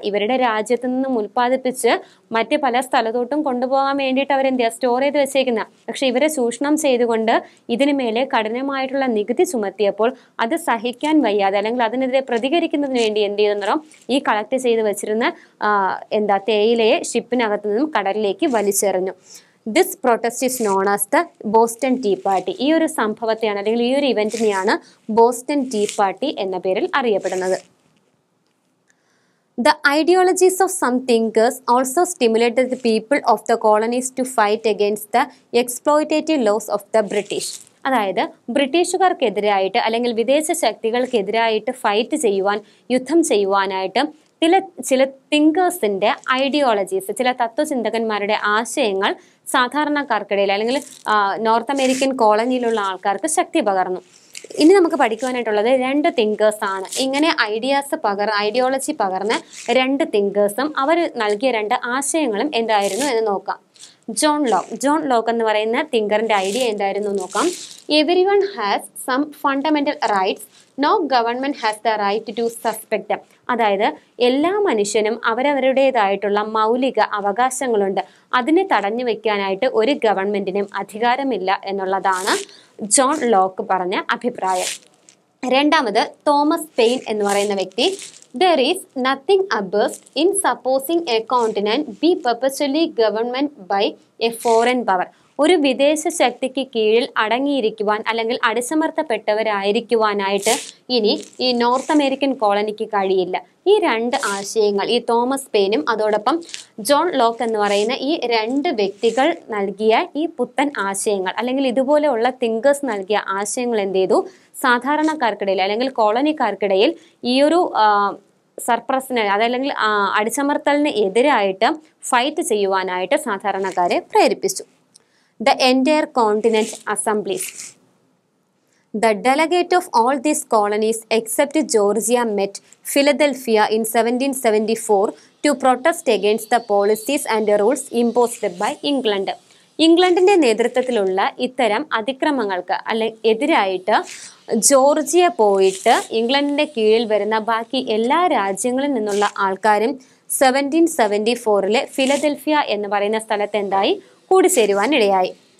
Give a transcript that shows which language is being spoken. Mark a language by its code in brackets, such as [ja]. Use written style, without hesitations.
[ml] ഇവരുടെ രാജ്യത്ത് നിന്നും ഉൽപ്പാദിപ്പിച്ച് മറ്റ് പല സ്ഥലത്തോട്ടും കൊണ്ടുപോകാൻ വേണ്ടിയിട്ട് അവരെന്ത് ചെയ്യുക, സ്റ്റോർ ചെയ്ത് വെച്ചേക്കുന്ന. പക്ഷെ ഇവരെ ചൂഷണം ചെയ്തുകൊണ്ട് ഇതിനു മേലെ കഠിനമായിട്ടുള്ള നികുതി ചുമത്തിയപ്പോൾ അത് സഹിക്കാൻ വയ്യാതെ അല്ലെങ്കിൽ അതിനെതിരെ പ്രതികരിക്കുന്നതിന് വേണ്ടി എന്ത് ചെയ്യുന്നോ, ഈ കളക്ട് ചെയ്ത് വെച്ചിരുന്ന എന്താ തേയിലയെ ഷിപ്പിനകത്ത് നിന്നും കടലിലേക്ക് വലിച്ചെറിഞ്ഞു. [en] This protest is known as the Boston Tea Party. [ml] ഈ ഒരു സംഭവത്തെയാണ് അല്ലെങ്കിൽ ഈ ഒരു ഇവന്റിനെയാണ് ബോസ്റ്റൺ ടീ പാർട്ടി എന്ന പേരിൽ അറിയപ്പെടുന്നത്. [en] The ideologies of some thinkers also stimulated the people of the colonies to fight against the exploitative laws of the British. [ml] അതായത് ബ്രിട്ടീഷുകാർക്കെതിരായിട്ട് അല്ലെങ്കിൽ വിദേശ ശക്തികൾക്കെതിരായിട്ട് ഫൈറ്റ് ചെയ്യുവാൻ, യുദ്ധം ചെയ്യുവാനായിട്ട് ചില തിങ്കേഴ്സിൻ്റെ ഐഡിയോളജീസ്, ചില തത്വചിന്തകന്മാരുടെ ആശയങ്ങൾ സാധാരണക്കാർക്കിടയിൽ അല്ലെങ്കിൽ നോർത്ത് അമേരിക്കൻ കോളനിയിലുള്ള ആൾക്കാർക്ക് ശക്തി പകർന്നു. ഇനി നമുക്ക് പഠിക്കുവാനായിട്ടുള്ളത് രണ്ട് തിങ്കേഴ്സാണ്. ഇങ്ങനെ ഐഡിയാസ് ഐഡിയോളജി പകർന്ന രണ്ട് തിങ്കേഴ്സും അവർ നൽകിയ രണ്ട് ആശയങ്ങളും എന്തായിരുന്നു എന്ന് നോക്കാം. ജോൺ ലോക്ക് എന്ന് പറയുന്ന തിങ്കറിൻ്റെ ഐഡിയ എന്തായിരുന്നു നോക്കാം. [en] Everyone has some fundamental rights, no government has the right to suspect. [ml] അതായത് എല്ലാ മനുഷ്യനും അവരവരുടേതായിട്ടുള്ള മൗലിക അവകാശങ്ങളുണ്ട്, അതിനെ തടഞ്ഞു വയ്ക്കാനായിട്ട് ഒരു ഗവൺമെൻറ്റിനും അധികാരമില്ല എന്നുള്ളതാണ് ജോൺ ലോക്ക് പറഞ്ഞ അഭിപ്രായം. രണ്ടാമത് തോമസ് പെയിൻ എന്ന് പറയുന്ന വ്യക്തി, [en] There is nothing abused in supposing a continent be perpetually governed by a foreign power. [ml] ഒരു വിദേശ ശക്തിക്ക് കീഴിൽ അടങ്ങിയിരിക്കുവാൻ അല്ലെങ്കിൽ അടിച്ചമർത്തപ്പെട്ടവരായിരിക്കുവാനായിട്ട് ഇനി ഈ നോർത്ത് അമേരിക്കൻ കോളനിക്ക് കഴിയില്ല. ഈ രണ്ട് ആശയങ്ങൾ ഈ തോമസ് പെയിനും അതോടൊപ്പം ജോൺ ലോക്ക് എന്ന് പറയുന്ന ഈ രണ്ട് വ്യക്തികൾ നൽകിയ ഈ പുത്തൻ ആശയങ്ങൾ അല്ലെങ്കിൽ ഇതുപോലെയുള്ള തിങ്കേഴ്സ് നൽകിയ ആശയങ്ങൾ എന്ത് ചെയ്തു, സാധാരണക്കാർക്കിടയിൽ അല്ലെങ്കിൽ കോളനിക്കാർക്കിടയിൽ ഈ ഒരു സർപ്രസിനെ അതല്ലെങ്കിൽ അടിച്ചമർത്തലിന് എതിരായിട്ട് ഫൈറ്റ് ചെയ്യുവാനായിട്ട് സാധാരണക്കാരെ പ്രേരിപ്പിച്ചു. [en] The entire continent assemblies. The delegate of all these colonies except Georgia met Philadelphia in 1774 to protest against the policies and the rules imposed by England. [ml] ഇംഗ്ലണ്ടിൻ്റെ നേതൃത്വത്തിലുള്ള ഇത്തരം അതിക്രമങ്ങൾക്ക് എതിരായിട്ട് ജോർജിയ പോയിട്ട് ഇംഗ്ലണ്ടിൻ്റെ കീഴിൽ വരുന്ന ബാക്കി എല്ലാ രാജ്യങ്ങളിൽ നിന്നുള്ള ആൾക്കാരും 1774 ഫിലദൽഫിയ എന്ന് പറയുന്ന സ്ഥലത്ത് എന്തായി, കൂടിച്ചേരുവാനിടയായി.